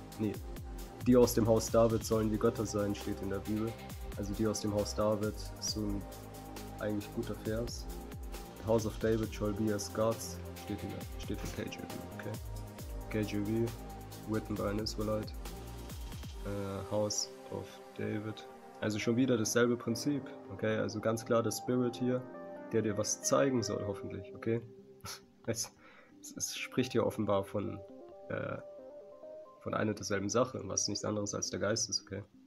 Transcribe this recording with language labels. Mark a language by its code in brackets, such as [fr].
[de] Nee, die aus dem Haus David sollen wie Götter sein, steht in der Bibel. Also die aus dem Haus David ist so ein eigentlich guter Vers. [en] The House of David shall be as gods, [de] steht in [en] KJV, okay. KJV, written by an Israelite. House of David. [de] Also schon wieder dasselbe Prinzip, okay? Also ganz klar der Spirit hier, der dir was zeigen soll, hoffentlich, okay? Es spricht hier offenbar von einer derselben Sache, was nichts anderes als der Geist ist, okay?